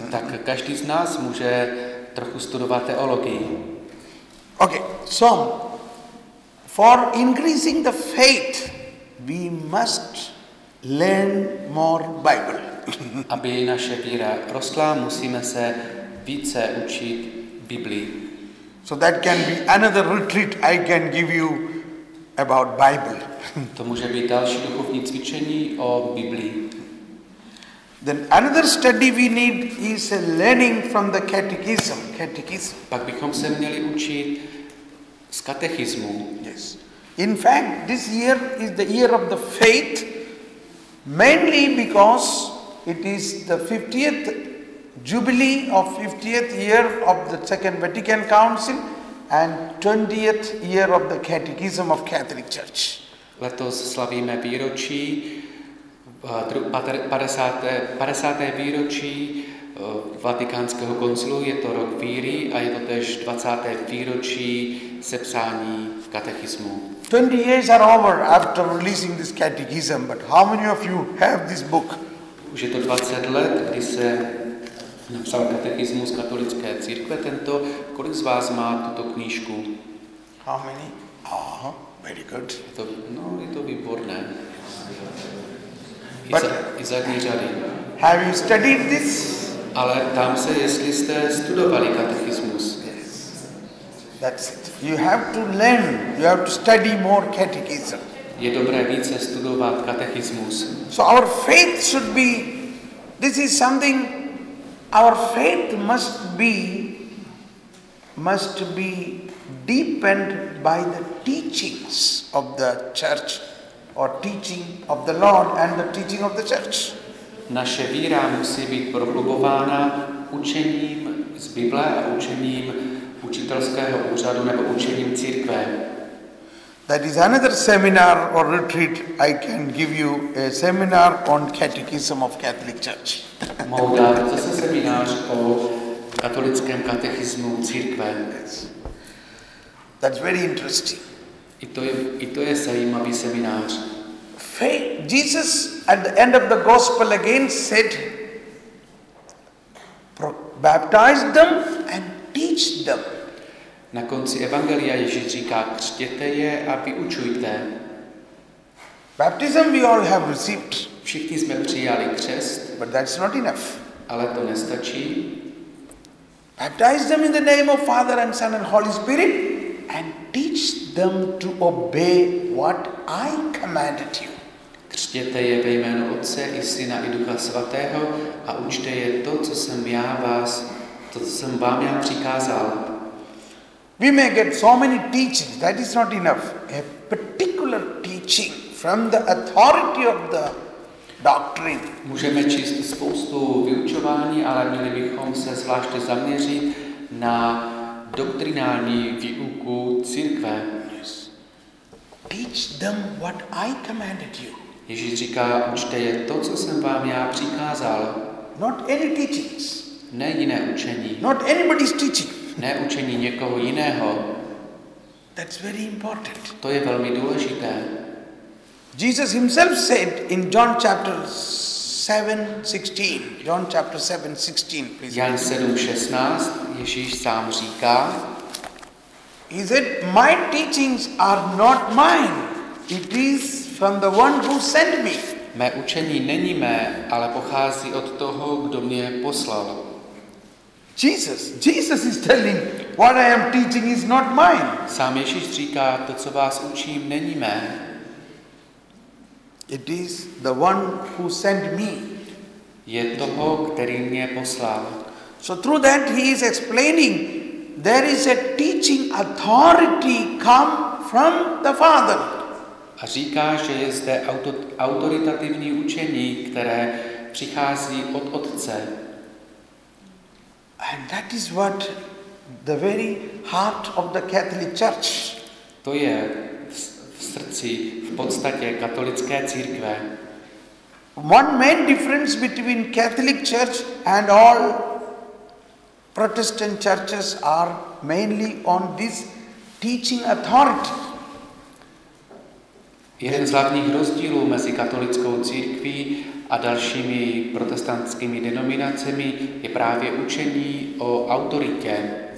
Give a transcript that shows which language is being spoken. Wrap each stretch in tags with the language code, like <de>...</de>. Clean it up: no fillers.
<cs>Tak každý z nás může trochu studovat teologii.</cs> <en>Okay, so, for increasing the faith, we must learn more Bible.</en> <cs>Aby naše víra rostla, musíme se více učit Biblii.</cs> <en>So that can be another retreat I can give you about Bible.</en> <cs>To může být další duchovní cvičení o Biblii.</cs> <en>Then another study we need is a learning from the catechism. Catechism.</en> <cs>Pak bychom se měli učit z katechismu.</cs> <en>Yes. In fact, this year is the year of the faith, mainly because it is the 50th jubilee of 50th year of the Second Vatican Council and 20th year of the Catechism of Catholic Church.</en> <cs>Letos slavíme výročí 50. výročí Vatikánského koncilu, je to rok víry a je to též 20. výročí sepsání v katechismu.</cs> <en>20 years are over after releasing this catechism, but how many of you have this book?</en> <cs>Už je to 20 let, kdy se napsal katechismus katolické církve tento. Kolik z vás má tuto knížku?</cs> <en>How many? Aha, very good.</en> <cs>Je to výborné. I zadní řady.</cs> <en>Have you studied this?</en> <cs>Ale tam se, jestli jste studovali katechismus.</cs> <en>Yes. That's it. You have to learn, you have to study more catechism.</en> <cs>Je dobré více studovat katechismus.</cs> <en>So our faith should be, this is something, our faith must be deepened by the teachings of the church or teaching of the Lord and the teaching of the church.</en> <cs>Naše víra musí být prohlubována učením z Bible a učením učitelského úřadu nebo učením církve.</cs> <en>That is another seminar or retreat I can give you, a seminar on catechism of Catholic Church.</en> <cs>Možná to je seminář o katolickém katechismu církve.</cs> <en>That's very interesting.</en> <cs>I to je zajímavý seminář.</cs> <en>Jesus at the end of the gospel again said, baptize them and teach them.</en> <cs>Na konci evangelia Ježíš říká, křtěte je a vyučujte.</cs> <en>Baptism we all have received.</en> <cs>Všichni jsme přijali křest.</cs> <en>But that's not enough.</en> <cs>Ale to nestačí.</cs> <en>Baptize them in the name of Father and Son and Holy Spirit and teach them to obey what I commanded you.</en> <cs>Křtěte je ve jménu Otce i Syna i Ducha Svatého a učte je to, co jsem já vás, to, co jsem vám já přikázal.</cs> <en>We may get so many teachings, that is not enough. A particular teaching from the authority of the doctrine.</en> <cs>Můžeme číst spoustu vyučování, ale měli bychom se zvláště zaměřit na doktrinální výuku církve.</cs> <en>Yes. Teach them what I commanded you.</en> <cs>Ježíš říká, učte je to, co jsem vám já přikázal.</cs> <en>Not any teachings.</en> <cs>Ne jiné učení.</cs> <en>Not anybody's teaching.</en> <cs>Ne učení někoho jiného.</cs> <en>That's very important.</en> <cs>To je velmi důležité.</cs> <en>Jesus himself said in John chapter 7:16, please.</en> <cs>Jan 7:16, Ježíš sám říká.</cs> <en>He said, my teachings are not mine. It is from the one who sent me.</en> <cs>Mé učení není mé, ale pochází od toho, kdo mě poslal.</cs> <en>Jesus is telling, what I am teaching is not mine.</en> <cs>Sám Ježíš říká, to, co vás učím, není mé.</cs> <en>It is the one who sent me.</en> <cs>Je toho, který mě poslal.</cs> <en>So through that he is explaining, there is a teaching authority come from the Father.</en> <cs>A říká, že je zde autoritativní učení, které přichází od Otce.</cs> <en>And that is what the very heart of the Catholic Church.</en> <cs>To je v srdci, v podstatě katolické církve.</cs> <en>One main difference between Catholic Church and all Protestant churches are mainly on this teaching authority.</en> <cs>Jeden z hlavních rozdílů mezi katolickou církví a dalšími protestantskými denominacemi je právě učení o autoritě.</cs>